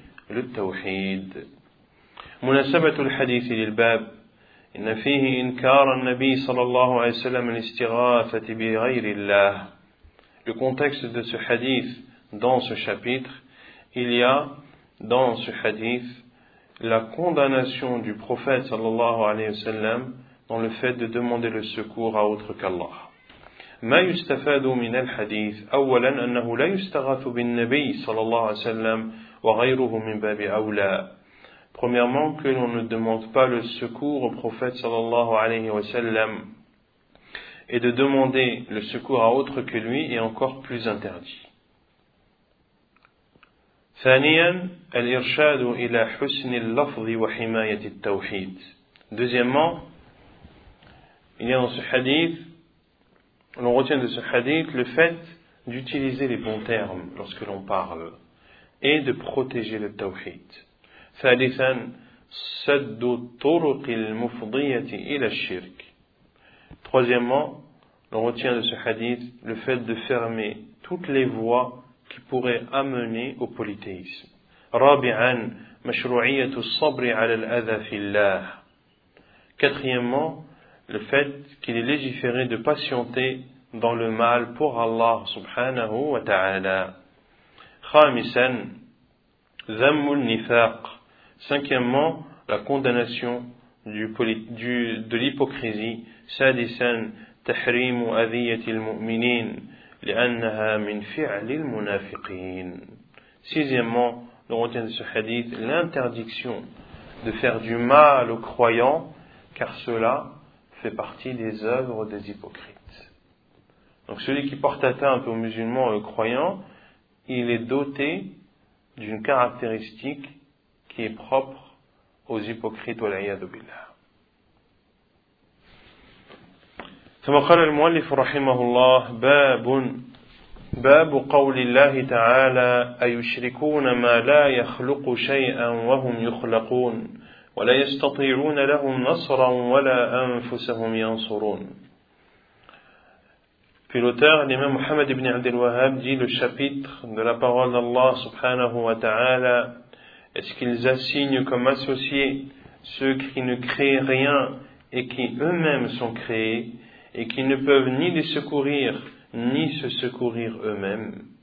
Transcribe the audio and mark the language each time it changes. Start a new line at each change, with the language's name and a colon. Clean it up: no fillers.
Arabic: للتوحيد مناسبة الحديث للباب إن فيه إنكار النبي صلى الله عليه وسلم الاستغاثة بغير الله.
French: Le contexte de ce hadith dans ce chapitre, il y a dans ce hadith la condamnation du prophète
Arabic: صلى الله عليه وسلم
French: dans le fait de demander le secours à autre qu'Allah.
Arabic: ما يستفاد من الحديث أولا أنه لا يستغاث بالنبي صلى الله عليه وسلم وغيره من باب أولى.
French: Premièrement, que l'on ne demande pas le secours au prophète sallallahu alayhi wa sallam, et de demander le secours à autre que lui est encore plus interdit.
Arabic: ثانياً, الإرشاد إلى حسن اللفظ وحماية التوحيد.
French: Deuxièmement, il y a dans ce hadith, l'on retient de ce hadith le fait d'utiliser les bons termes lorsque l'on parle et de protéger le tawhid.
Arabic: ثالثاً, سد الطرق المفضية إلى الشرك.
French: Troisièmement, l'on retient de ce hadith le fait de fermer toutes les voies qui pourraient amener au polythéisme.
Arabic: رابعاً, مشروعية الصبر على الأذى في الله.
French: Quatrièmement, le fait qu'il est légiféré de patienter dans le mal pour Allah subhanahu wa ta'ala.
Arabic: خامساً, ذم النفاق.
French: Cinquièmement, la condamnation de l'hypocrisie.
Arabic: سادساً, تحريم أذية المؤمنين لأنها من فعل المنافقين.
French: Sixièmement, on retient de ce hadith l'interdiction de faire du mal aux croyants, car cela fait partie des œuvres des hypocrites. Donc celui qui porte atteinte aux musulmans et aux croyants, il est doté d'une caractéristique qui est propre aux hypocrites, wal'iyadu billah.
Arabic: ثم قال المؤلف رحمه الله باب قول الله تعالى أيشركون ما لا يخلق شيئا وهم يخلقون ولا يستطيعون لهم نصرا ولا أنفسهم ينصرون.
French: في الأوتار الإمام محمد بن عبد الوهاب دي le chapitre de la parole d'Allah subhanahu wa ta'ala, est-ce qu'ils assignent comme associés ceux qui ne créent rien et qui eux-mêmes sont créés et qui ne peuvent ni les secourir, ni se secourir eux-mêmes.